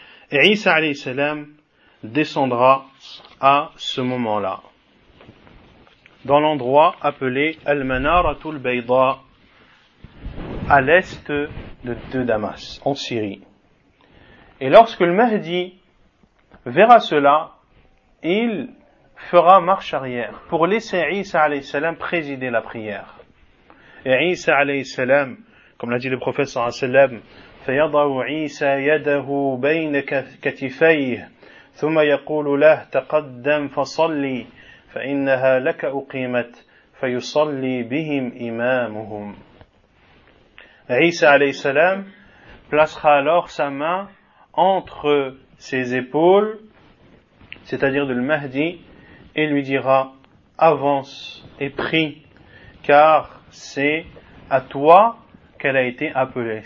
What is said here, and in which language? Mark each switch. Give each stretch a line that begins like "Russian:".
French: Et Isa alayhi salam descendra à ce moment-là, dans l'endroit appelé Al-Manaratul Bayda, à l'est de Damas, en Syrie. Et lorsque le Mahdi verra cela, il fera marche arrière pour laisser Isa alayhi salam présider la prière. Et Isa alayhi salam,
Arabic: comme l'a dit le prophète sallallahu alayhi salam, فَيَضَعُ عِيسَى يَدَهُ بَيْنَ كَتِفَيْهِ ثُمَّ يَقُولُ لَهُ تَقَدَّمْ فَصَلِّي فَإِنَّهَا لَكَ أُقِيمَتْ فَيُصَلِّي بِهِمْ إِمَامُهُمْ.
French: Isa alayhi salam placera alors sa main entre ses épaules, c'est-à-dire de le Mahdi, et lui dira: avance et prie, car c'est à toi qu'elle a été appelée.